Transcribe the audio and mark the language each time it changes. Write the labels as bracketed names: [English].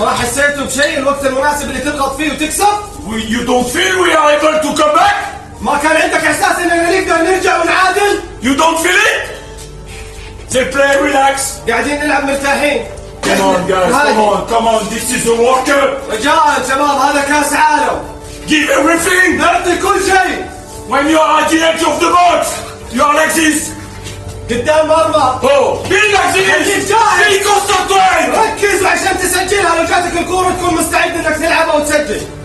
[Arabic] ما حسيتوا بشيء الوقت المناسب اللي تضغط فيه وتكسب؟ [English] You don't feel we are able to come back? [Arabic] ما كان عندك احساس اننا نقدر نرجع ونعادل؟ [English] You don't feel it? They play relax. [Arabic] قاعدين نلعب مرتاحين. [English] Come on guys, come on, this is a World Cup. [Arabic] رجاءً شباب هذا كأس عالم. [English] Give everything. [Arabic] نعطي كل شيء. [English] When you are at the edge of the box, you are like this. Get down, Marma. Oh, be like this. Stay concentrated. [Arabic] ركز عشان تسجلها لو جاتك الكورة تكون مستعد إنك تلعبها وتسجل.